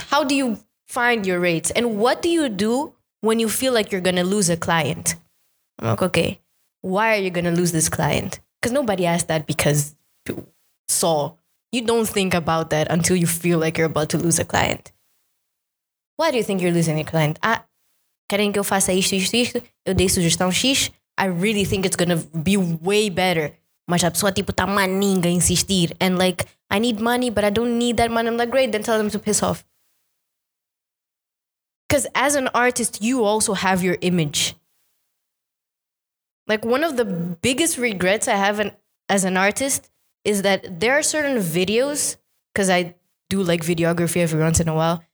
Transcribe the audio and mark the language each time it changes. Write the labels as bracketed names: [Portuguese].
[English] How do you find your rates? And what do you do when you feel like you're gonna lose a client? I'm like, okay, why are you gonna lose this client? Because nobody asked that because saw. You don't think about that until you feel like you're about to lose a client. Why do you think you're losing a client? [Portuguese] Ah, querem que eu faça isto, isto, isto? Eu dei sugestão X. [English] I really think it's going to be way better. [Portuguese] Mas a pessoa, tipo, tá maninga a insistir. [English] And like, I need money, but I don't need that money. I'm like, great, then tell them to piss off. Because as an artist, you also have your image. Like, one of the biggest regrets I have as an artist is that there are certain videos, because I do like videography every once in a while.